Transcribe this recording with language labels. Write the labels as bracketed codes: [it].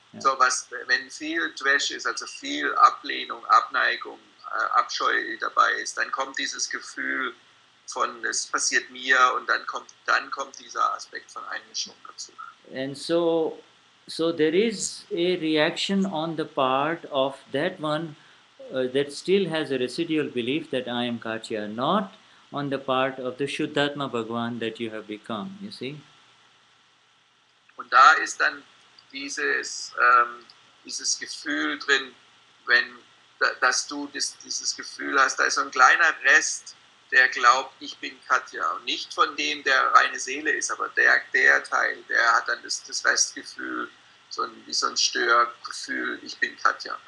[de] So was, wenn viel dvesh ist, also viel Ablehnung, Abneigung, Abscheu dabei ist, dann kommt dieses Gefühl von es passiert mir, und dann kommt dieser Aspekt von Einmischung dazu. [en] And so there is a reaction on the part of that one that still has a residual belief that I am Katya, not on the part of the Shuddhatma Bhagwan that you have become, you see. [de] Und da ist dann dieses Gefühl drin, wenn dass du dieses Gefühl hast, da ist so ein kleiner Rest, der glaubt, ich bin Katya, und nicht von dem, der reine Seele ist, aber der Teil, der hat dann das Restgefühl, so ein Störgefühl, ich bin Katya.